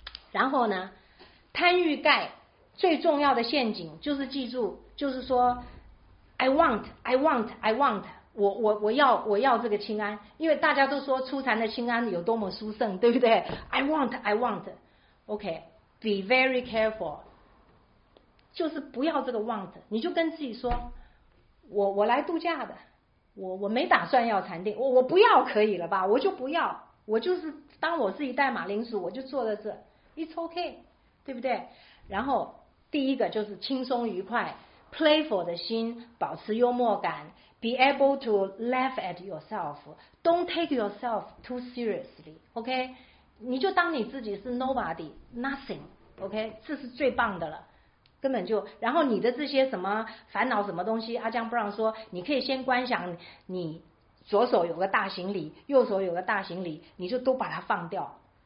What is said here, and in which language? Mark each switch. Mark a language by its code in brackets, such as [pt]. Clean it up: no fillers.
[zh] 然后呢，贪欲盖最重要的陷阱就是记住，就是说 [en] I want， [zh] 我要这个清安，因为大家都说初禅的清安有多么殊胜，对不对 ？ [en] I want， OK， be very careful， [zh] 就是不要这个 want， 你就跟自己说，我来度假的，我没打算要禅定，我不要可以了吧？我就不要，我就是当我是一袋马铃薯，我就坐在这 ， [en] it's OK， [zh] 对不对？然后第一个就是轻松愉快。 [en] Playful [zh] 的心，保持幽默感 [en] ，be able to laugh at yourself，don't take yourself too seriously。 [zh] OK， 你就当你自己是 [en] nobody，nothing。 [zh] OK， 这是最棒的了，根本就。然后你的这些什么烦恼什么东西，阿姜布朗说，你可以先观想你左手有个大行李，右手有个大行李，你就都把它放掉。